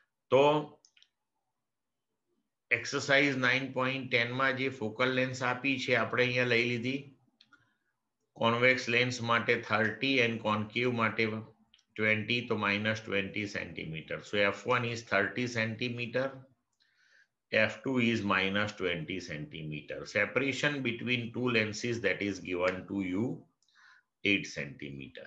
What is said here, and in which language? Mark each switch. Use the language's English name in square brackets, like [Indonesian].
[Gujarati] તો એક્સરસાઇઝ 9.10 માં જે ફોકલ લેન્સ આપી છે આપણે અહીંયા લઈ લીધી, કોન્વેક્સ લેન્સ માટે 30 એન્ડ કોન્કેવ માટે 20, તો -20 cm. [English] So f1 is 30 cm, f2 is -20 cm. Separation between two lenses that is given to you 8 cm.